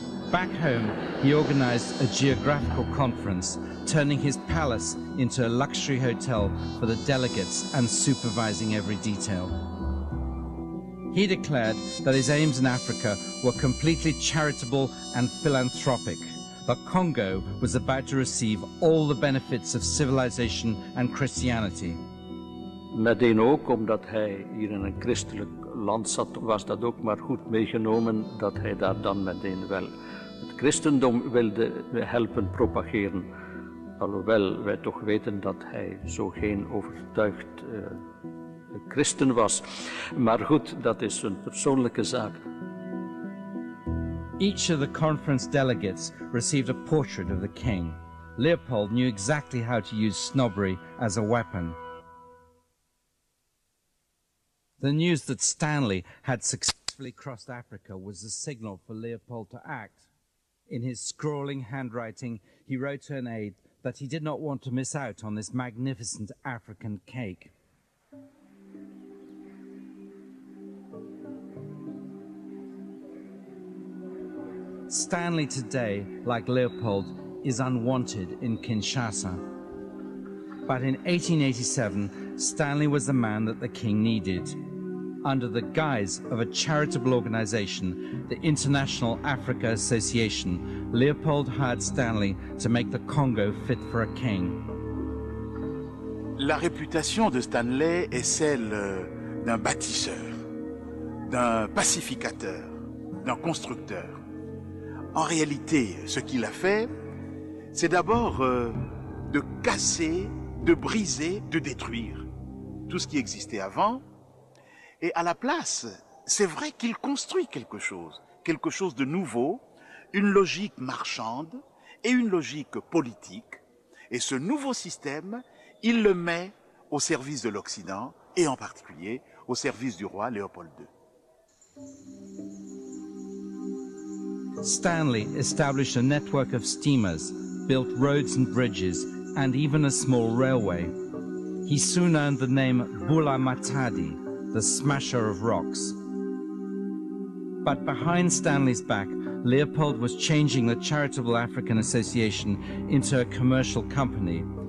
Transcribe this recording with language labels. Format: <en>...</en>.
<en>Back home, he organized a geographical conference, turning his palace into a luxury hotel for the delegates and supervising every detail. He declared that his aims in Africa were completely charitable and philanthropic. The Congo was about to receive all the benefits of civilization and Christianity.</en> <nl>Meteen ook, omdat hij hier in een christelijk land zat, was dat ook maar goed meegenomen dat hij daar dan meteen wel het christendom wilde helpen propageren. Alhoewel wij toch weten dat hij zo geen overtuigd christen was. Maar goed, dat is een persoonlijke zaak.</nl> <en>Each of the conference delegates received a portrait of the king. Leopold knew exactly how to use snobbery as a weapon. The news that Stanley had successfully crossed Africa was the signal for Leopold to act. In his scrawling handwriting, he wrote to an aide that he did not want to miss out on this magnificent African cake. Stanley today, like Leopold, is unwanted in Kinshasa. But in 1887, Stanley was the man that the king needed. Under the guise of a charitable organization, the International Africa Association, Leopold hired Stanley to make the Congo fit for a king.</en> <fr>La réputation de Stanley est celle d'un bâtisseur, d'un pacificateur, d'un constructeur. En réalité, ce qu'il a fait, c'est d'abord de casser, de briser, de détruire tout ce qui existait avant. Et à la place, c'est vrai qu'il construit quelque chose de nouveau, une logique marchande et une logique politique. Et ce nouveau système, il le met au service de l'Occident et en particulier au service du roi Léopold II.</fr> <en>Stanley established a network of steamers, built roads and bridges, and even a small railway. He soon earned the name Bula Matadi, the smasher of rocks. But behind Stanley's back, Leopold was changing the Charitable African Association into a commercial company.</en>